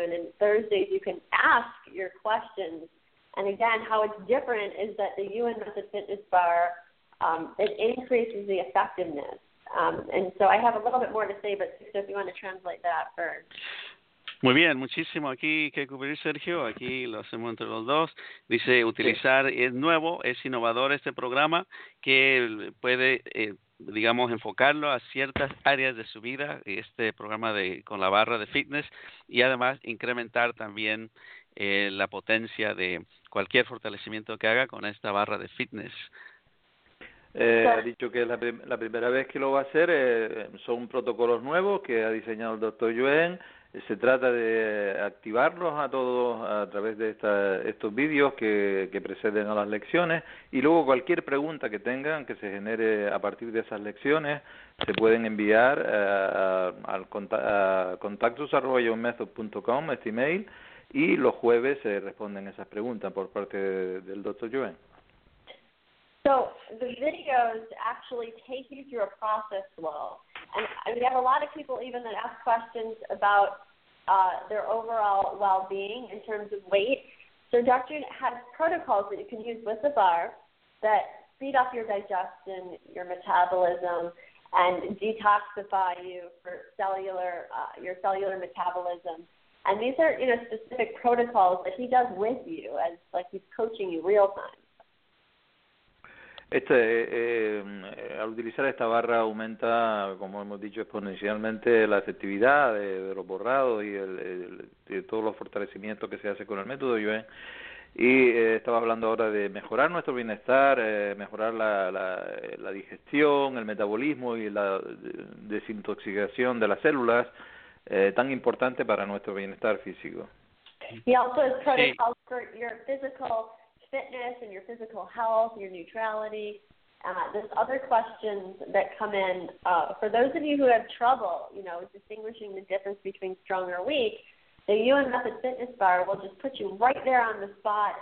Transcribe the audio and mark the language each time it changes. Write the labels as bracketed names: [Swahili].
[English] Yuen, and then Thursdays you can ask your questions. And again, how it's different is that the Yuen Method Fitness Bar, it increases the effectiveness. And so I have a little bit more to say, but Sixto, if you want to translate that first. [Spanish] Muy bien, muchísimo aquí que cubrir, Sergio. Aquí lo hacemos entre los dos. Dice, utilizar es nuevo, es innovador este programa que puede, enfocarlo a ciertas áreas de su vida, este programa con la barra de fitness, y además incrementar también la potencia de cualquier fortalecimiento que haga con esta barra de fitness. Ha dicho que es la primera vez que lo va a hacer. Son protocolos nuevos que ha diseñado el Dr. Yuen. Se trata de activarlos a todos a través de estos vídeos que preceden a las lecciones, y luego cualquier pregunta que tengan que se genere a partir de esas lecciones se pueden enviar a contactus@unmethod.com, este email, y los jueves se responden esas preguntas por parte del Dr. Yuen. [English] So the videos actually take you through a process flow. And we have a lot of people even that ask questions about their overall well-being in terms of weight. So Dr. has protocols that you can use with the bar that speed up your digestion, your metabolism, and detoxify you for your cellular metabolism. And these are, specific protocols that he does with you, as like he's coaching you real time. [Spanish] Al utilizar esta barra aumenta, como hemos dicho, exponencialmente la efectividad de los borrados y de todos los fortalecimientos que se hace con el método Yuen. Y estaba hablando ahora de mejorar nuestro bienestar, mejorar la digestión, el metabolismo y la desintoxicación de las células, tan importante para nuestro bienestar físico. [English] Y also is protocol for your physical fitness and your physical health, your neutrality. There's other questions that come in. For those of you who have trouble, distinguishing the difference between strong or weak, the UN Method Fitness Bar will just put you right there on the spot.